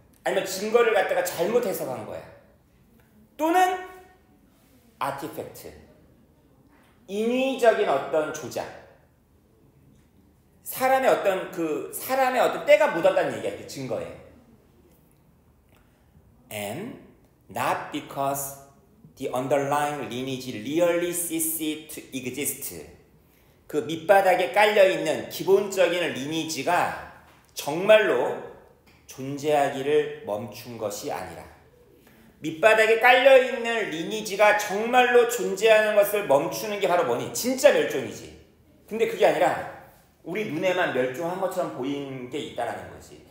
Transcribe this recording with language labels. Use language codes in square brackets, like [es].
[ko] 아니면 증거를 갖다가 잘못 해석한 거야. 또는 아티팩트, 인위적인 어떤 조작, 사람의 어떤 때가 묻었다는 얘기야, 그 증거에. [en] And not because the underlying lineage really ceased to exist. [ko] 그 밑바닥에 깔려있는 기본적인 리니지가 정말로 존재하기를 멈춘 것이 아니라 밑바닥에 깔려있는 리니지가 정말로 존재하는 것을 멈추는 게 바로 뭐니? 진짜 멸종이지. 근데 그게 아니라 우리 눈에만 멸종한 것처럼 보인 게 있다라는 거지.